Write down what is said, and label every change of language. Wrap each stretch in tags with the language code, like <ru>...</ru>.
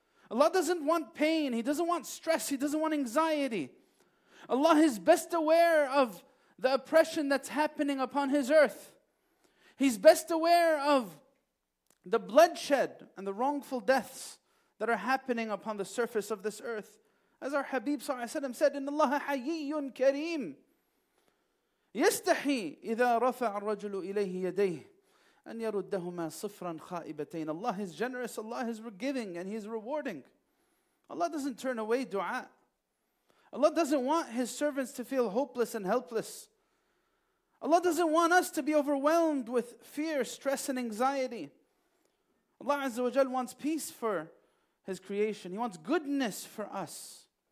<en>Allah doesn't want pain, He doesn't want stress, He doesn't want anxiety. Allah is best aware of the oppression that's happening upon His earth. He's best aware of the bloodshed and the wrongful deaths that are happening upon the surface of this earth. As our Habib sallallahu alayhi wa sallam said,</en> <ar>إِنَّ اللَّهَ حَيِّيٌّ كَرِيمٌ يَسْتَحِي إِذَا رَفَعَ الرَّجُلُ إِلَيْهِ يَدَيْهِ أَنْ يَرُدَّهُمَا صِفْرًا خَائِبَتَيْنَ.</ar> <en>Allah is generous, Allah is forgiving, and He is rewarding. Allah doesn't turn away dua. Allah doesn't want His servants to feel hopeless and helpless. Allah doesn't want us to be overwhelmed with fear, stress, and anxiety. Allah Azza wa Jal wants peace for His creation. He wants goodness for us.</en>